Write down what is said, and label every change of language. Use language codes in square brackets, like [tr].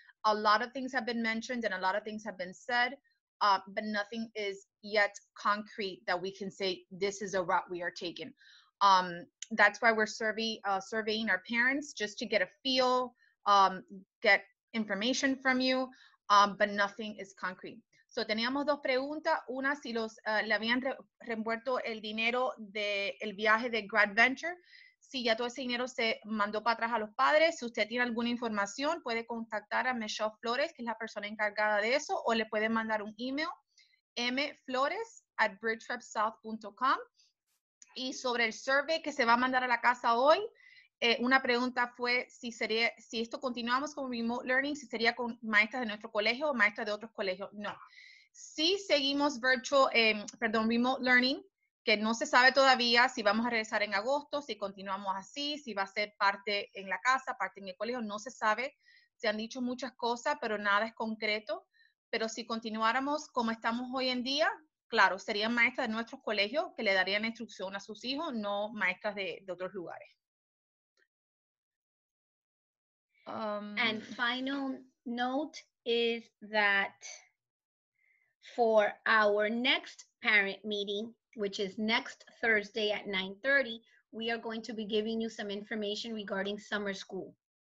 [en] A lot of things have been mentioned and a lot of things have been said, but nothing is yet concrete that we can say this is a route we are taking. That's why we're surveying our parents, just to get a feel, get information from you, but nothing is concrete. [es] So teníamos 2 preguntas. Una, si los le habían reenvuelto el dinero del viaje de Grad Venture. si ya todo ese dinero se mandó para atrás a los padres. Si usted tiene alguna información, puede contactar a Michelle Flores, que es la persona encargada de eso, o le puede mandar un email, mflores@bridgetrapsouth.com. Y sobre el survey que se va a mandar a la casa hoy, una pregunta fue si esto continuamos con remote learning, si sería con maestras de nuestro colegio o maestras de otros colegios. No. Si seguimos remote learning, que no se sabe todavía si vamos a regresar en agosto, si continuamos así, si va a ser parte en la casa, parte en el colegio, no se sabe. Se han dicho muchas cosas, pero nada es concreto. Pero si continuáramos como estamos hoy en día, claro, serían maestras de nuestros colegios que le darían instrucción a sus hijos, no maestras de otros lugares. [en] And final note is that for our next parent meeting, which is next Thursday at 9:30, we are going to be giving you some information regarding summer school.